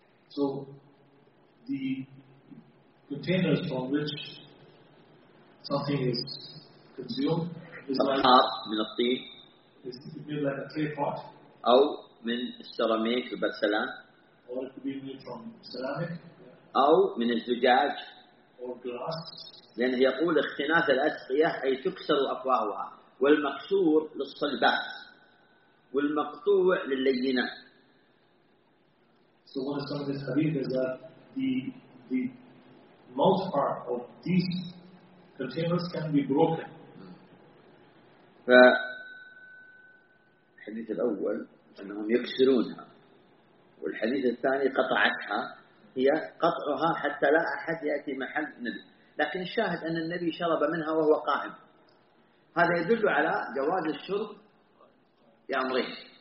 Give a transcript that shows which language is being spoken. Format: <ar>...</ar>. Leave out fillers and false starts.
<en>So the containers from which something is consumed is like</en> <ar>من الطين.</ar> <en>Is it made like a clay pot?</en> <ar>أو من السيراميك والبرسلان.</ar> <en>Or it could be made from ceramic.</en> <ar>أو من الزجاج أو</ar> <en>glass.</en> <ar>لأنه يقول اختناث الأسقية أي تكسر أفواهها والمكسور للصلبات والمقطوع للينة.</ar> <en>So one of the hadith is that the mouth part of these containers can be broken.</en> <ar>فالحديث الأول أنهم يكسرونها والحديث الثاني قطعتها هي قطعها حتى لا أحد يأتي محل النبي، لكن الشاهد أن النبي شرب منها وهو قائم، هذا يدل على جواز الشرب يا أمرين</ar>